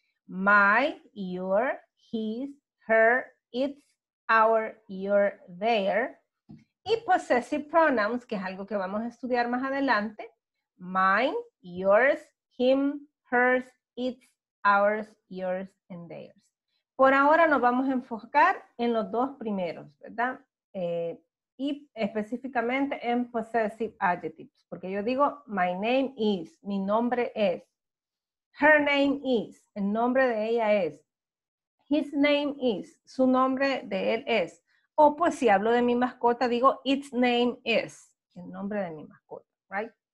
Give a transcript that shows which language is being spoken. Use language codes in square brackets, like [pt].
[en] My, your, his, her, its, our, your, their. [es] Y possessive pronouns, que es algo que vamos a estudiar más adelante. [en] Mine, yours, him, hers, its, ours, yours, and theirs. [es] Por ahora nos vamos a enfocar en los dos primeros, ¿verdad? Y específicamente en possessive adjectives. Porque yo digo, [en] my name is, [es] mi nombre es. [en] Her name is, [es] el nombre de ella es. [en] His name is, [es] su nombre de él es. O pues si hablo de mi mascota, digo, [en] its name is, [es] el nombre de mi mascota, right?